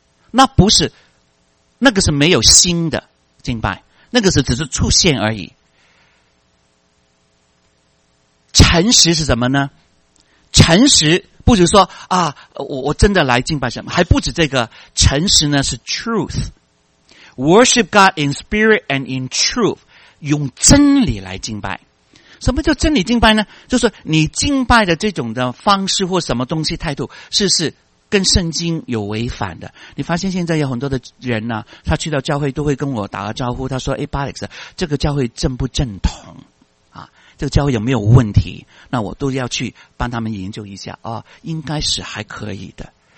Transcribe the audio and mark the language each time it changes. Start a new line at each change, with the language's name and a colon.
Chinese: 那不是，那个是没有心的敬拜，那个是只是出现而已。诚实是什么呢？诚实不是说啊，我真的来敬拜神，还不止这个。诚实呢是
English: truth， worship God in spirit and in truth，
Chinese: 用真理来敬拜。什么叫真理敬拜呢？就是你敬拜的这种的方式或什么东西态度，是跟圣经有违反的。你发现现在有很多的人呢、啊，他去到教会都会跟我打个招呼，他说：“哎 ，Alex， 这个教会正不正统？” 这个教会有没有问题，那我都要去帮他们研究一下、哦、应该是还可以的。